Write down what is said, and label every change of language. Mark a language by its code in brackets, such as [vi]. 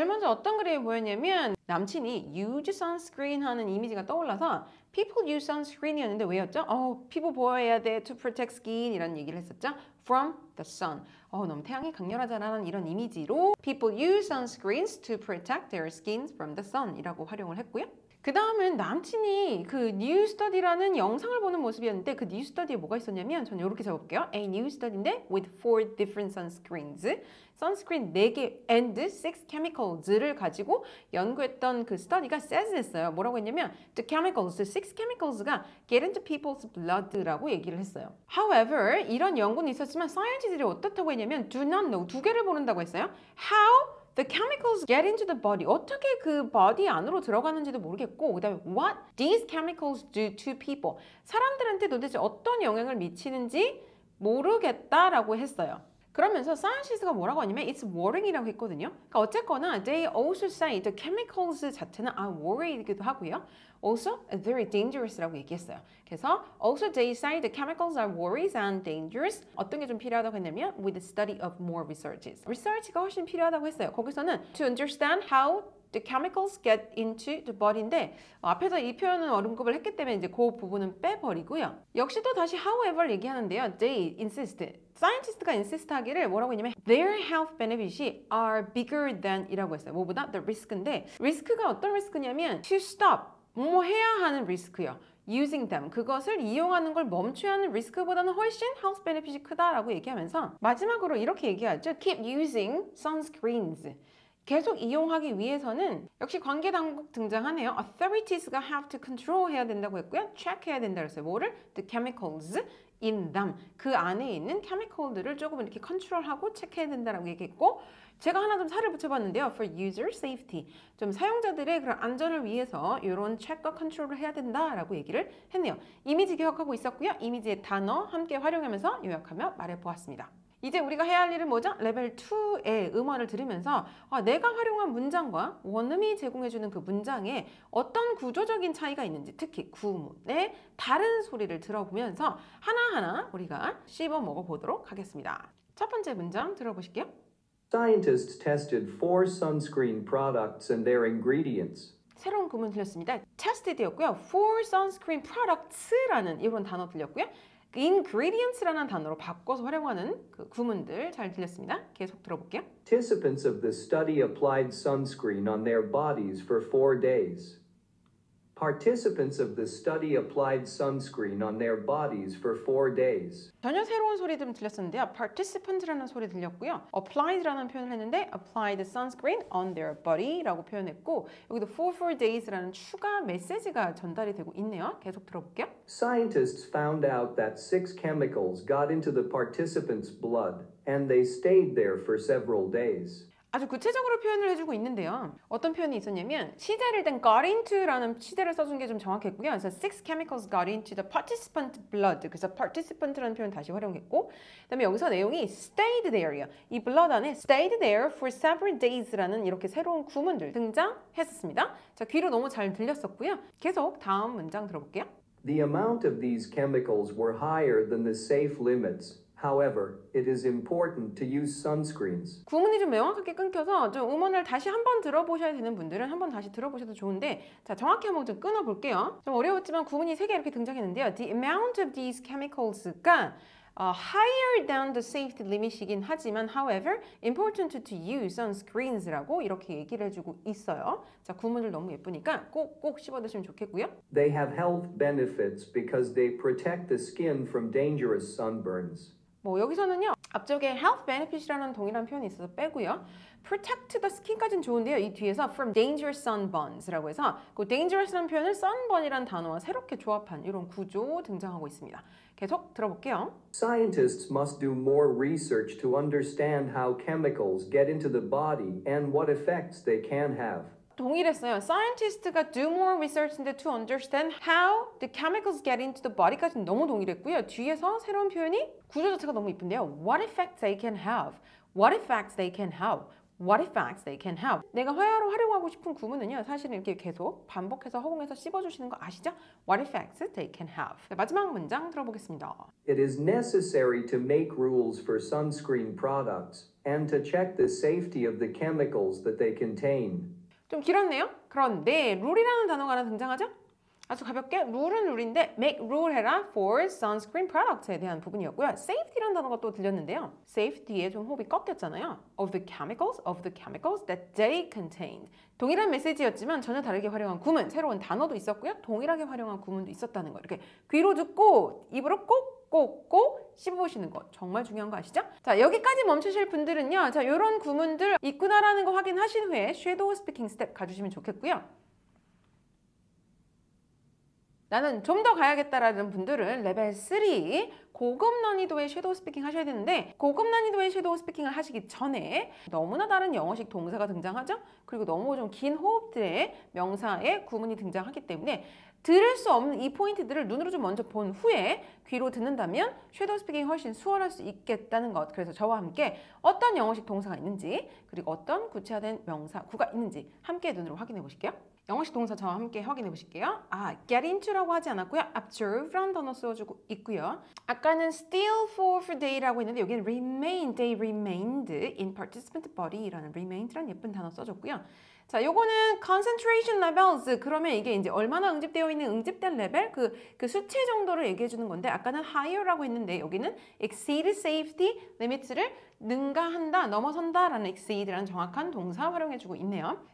[ko] 어떤 그림이 보였냐면 남친이 [en] use sunscreen [ko] 하는 이미지가 떠올라서 [en] people use sunscreen [ko] 이었는데 왜였죠? People 보호해야 돼 [en] to protect skin [ko] 이런 얘기를 했었죠? [en] from the sun [ko] 너무 태양이 강렬하잖아라는 이런 이미지로 [en] people use sunscreens to protect their skins from the sun [ko] 이라고 활용을 했고요. 그 다음은 남친이 그 new study라는 영상을 보는 모습이었는데 그 new study에 뭐가 있었냐면 저는 이렇게 적어볼게요. [en] a new study인데 with 4 different sunscreens sunscreen 4개 and 6 chemicals를 [ko] 가지고 연구했던 [en] 그 study가 says 했어요. [ko] 뭐라고 했냐면 [en] the chemicals, 6 chemicals가 get into people's blood라고 [ko] 얘기를 했어요. however 이런 연구는 있었지만 scientists들이 어떻다고 했냐면 [en] do not know [ko] 두 개를 모른다고 했어요. [en] how The chemicals get into the body. [ko] 어떻게 그 body 안으로 들어가는지도 모르겠고 그 다음에 [en] what these chemicals do to people. [ko] 사람들한테 도대체 어떤 영향을 미치는지 모르겠다라고 했어요. 그러면서 scientists가 뭐라고 하냐면 it's worrying이라고 했거든요. 그러니까 어쨌거나 [en] they also say the chemicals 자체는 are worried이기도 하고요. also very dangerous라고 얘기했어요. 그래서 also they say the chemicals are worries and dangerous. [ko] 어떤 게 좀 필요하다고 했냐면 [en] with the study of more researches. [ko] research가 훨씬 필요하다고 했어요. 거기서는 [en] to understand how the chemicals get into the body [ko] 인데 앞에서 이 표현은 언급을 했기 때문에 이제 그 부분은 빼버리고요. 역시 또 다시 however 얘기하는데요. [en] they insist. scientist가 insist 하기를 [ko] 뭐라고 했냐면 [en] their health benefits are bigger than 이라고 했어요. [ko] 뭐보다 the risk인데 risk가 어떤 risk냐면 [en] to stop [ko] 뭐 해야 하는 리스크요. [en] using them [ko] 그것을 이용하는 걸 멈추야 하는 리스크보다는 훨씬 health benefit이 크다라고 얘기하면서 마지막으로 이렇게 얘기하죠. [en] keep using sunscreens [ko] 계속 이용하기 위해서는 역시 관계 당국 등장하네요. authorities가 [en] have to control [ko] 해야 된다고 했고요. check 해야 된다고 했어요. 뭐를? [en] the chemicals in them [ko] 그 안에 있는 chemical들을 조금 이렇게 컨트롤하고 체크해야 된다라고 얘기했고 제가 하나 좀 살을 붙여봤는데요. [en] For user safety. [ko] 좀 사용자들의 그런 안전을 위해서 이런 체크와 컨트롤을 해야 된다라고 얘기를 했네요. 이미지 기억하고 있었고요. 이미지의 단어 함께 활용하면서 요약하며 말해보았습니다. 이제 우리가 해야 할 일은 뭐죠? 레벨 2의 음원을 들으면서 내가 활용한 문장과 원음이 제공해주는 그 문장에 어떤 구조적인 차이가 있는지 특히 구문의 다른 소리를 들어보면서 하나하나 우리가 씹어 먹어보도록 하겠습니다. 첫 번째 문장 들어보실게요. [en] Scientists tested 4 sunscreen products and their ingredients. [ko] 새로운 구문 들렸습니다. Tested였고요. 4 sunscreen products라는 이런 단어 들렸고요. Ingredients라는 단어로 바꿔서 활용하는 그 구문들 잘 들렸습니다. 계속 들어볼게요. [en] Participants of the study applied sunscreen on their bodies for 4 days. Participants of the study applied sunscreen on their bodies for 4 days. [ko] 전혀 새로운 소리 좀 들렸었는데요. Participant라는 소리 들렸고요. Applied라는 표현을 했는데 [en] applied sunscreen on their body [ko] 라고 표현했고 여기도 for days라는 추가 메시지가 전달이 되고 있네요. 계속 들어볼게요. [en] Scientists found out that 6 chemicals got into the participants' blood and they stayed there for several days. [ko] 아주 구체적으로 표현을 해주고 있는데요. 어떤 표현이 있었냐면 시제를 된 got into라는 시제를 써준 게 좀 정확했고요. 그래서 [en] six chemicals got into the participant blood. [ko] 그래서 participant라는 표현 다시 활용했고 그다음에 여기서 내용이 stayed there요. 이 blood 안에 [en] stayed there for several days [ko] 라는 이렇게 새로운 구문들 등장했었습니다. 자, 귀로 너무 잘 들렸었고요. 계속 다음 문장 들어볼게요. [en] The amount of these chemicals were higher than the safe limits. However, it is important to use sunscreens. [ko] 구문이 좀 명확하게 끊겨서 좀 음원을 다시 한번 들어보셔야 되는 분들은 한번 다시 들어보셔도 좋은데 자, 정확히 한번 좀 끊어볼게요. 좀 어려웠지만 구문이 세 개 이렇게 등장했는데요. [en] The amount of these chemicals가 higher than the safety limit이긴 하지만 however, important to use sunscreens라고 이렇게 얘기를 해주고 있어요. [ko] 자, 구문을 너무 예쁘니까 꼭꼭 씹어드시면 좋겠고요. [en] They have health benefits because they protect the skin from dangerous sunburns. [ko] 뭐 여기서는요. 앞쪽에 health benefits라는 동일한 표현이 있어서 빼고요. [en] protect the skin까지는 좋은데요. [ko] 이 뒤에서 [en] from dangerous sunburns [ko] 라고 해서 그 dangerous라는 표현을 sunburn이라는 단어와 새롭게 조합한 이런 구조 등장하고 있습니다. 계속 들어볼게요. [en] Scientists must do more research to understand how chemicals get into the body and what effects they can have. [ko] 동일했어요. [en] Scientist가 do more research인데 to understand how the chemicals get into the body까지는 너무 동일했고요. [ko] 뒤에서 새로운 표현이 구조 자체가 너무 이쁜데요. [en] What effects they can have? What effects they can have? What effects they can have? [ko] 내가 회화로 활용하고 싶은 구문은요. 사실은 이렇게 계속 반복해서 허공에서 씹어주시는 거 아시죠? [en] What effects they can have? [ko] 네, 마지막 문장 들어보겠습니다. [en] It is necessary to make rules for sunscreen products and to check the safety of the chemicals that they contain. [ko] 좀 길었네요. 그런데 룰이라는 단어가 하나 등장하죠? 아주 가볍게 룰은 룰인데 make rule 해라 [en] for sunscreen products [ko] 에 대한 부분이었고요. safety라는 단어가 또 들렸는데요. safety에 좀 호흡이 꺾였잖아요. [en] of the chemicals that they contained. [ko] 동일한 메시지였지만 전혀 다르게 활용한 구문, 새로운 단어도 있었고요. 동일하게 활용한 구문도 있었다는 거. 이렇게 귀로 듣고 입으로 꼭꼭꼭 씹어보시는 거 정말 중요한 거 아시죠? 자, 여기까지 멈추실 분들은요. 자, 이런 구문들 있구나라는 거 확인하신 후에 [en] shadow speaking step [ko] 가주시면 좋겠고요. 나는 좀 더 가야겠다라는 분들은 레벨 3 고급 난이도의 섀도우 스피킹 하셔야 되는데 고급 난이도의 섀도우 스피킹을 하시기 전에 너무나 다른 영어식 동사가 등장하죠? 그리고 너무 좀 긴 호흡들의 명사의 구문이 등장하기 때문에 들을 수 없는 이 포인트들을 눈으로 좀 먼저 본 후에 귀로 듣는다면 섀도우 스피킹이 훨씬 수월할 수 있겠다는 것 그래서 저와 함께 어떤 영어식 동사가 있는지 그리고 어떤 구체화된 명사구가 있는지 함께 눈으로 확인해 보실게요. 영어식 동사 저와 함께 확인해 보실게요. 아, get into라고 하지 않았고요. observe라는 단어 써주고 있고요. 아까는 still for day라고 했는데 여기는 remain, [en] they remained in participant body [ko] 라는 remained라는 예쁜 단어 써줬고요. 자, 요거는 concentration levels. 그러면 이게 이제 얼마나 응집되어 있는 응집된 레벨? 그 수치 정도를 얘기해 주는 건데 아까는 higher라고 했는데 여기는 [en] exceed safety limits [ko] 를 능가한다, 넘어선다라는 exceed라는 정확한 동사 활용해 주고 있네요.